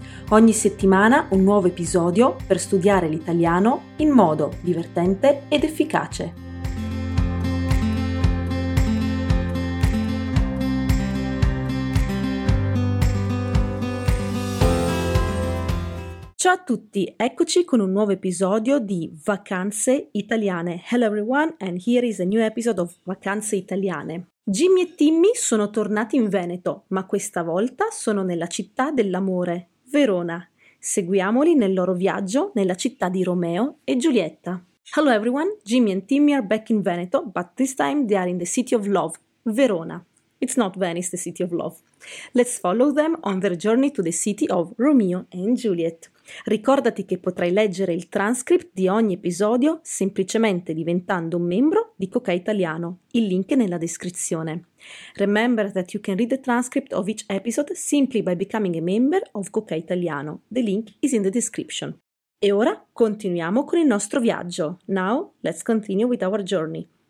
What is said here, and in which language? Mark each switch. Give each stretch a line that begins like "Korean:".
Italian: Ogni settimana un nuovo episodio per studiare l'italiano in modo divertente ed efficace. Ciao a tutti, eccoci con un nuovo episodio di Vacanze Italiane.
English: Hello everyone, and here is a new episode of Vacanze Italiane.
Italian: Jimmy e Timmy sono tornati in Veneto, ma questa volta sono nella città dell'amore, Verona. Seguiamoli nel loro viaggio nella città di Romeo e Giulietta.
English: Hello everyone, Jimmy and Timmy are back in Veneto, but this time they are in the city of love, Verona. It's not Venice, the city of love. Let's follow them on their journey to the city of Romeo and Juliet.
Italian: Ricordati che potrai leggere il transcript di ogni episodio semplicemente diventando un membro di Cocai Italiano. Il link è nella descrizione.
English: Remember that you can read the transcript of each episode simply by becoming a member of Cocai Italiano. The link is in the description.
Italian: E ora continuiamo con il nostro viaggio.
English: Now, let's continue with our journey.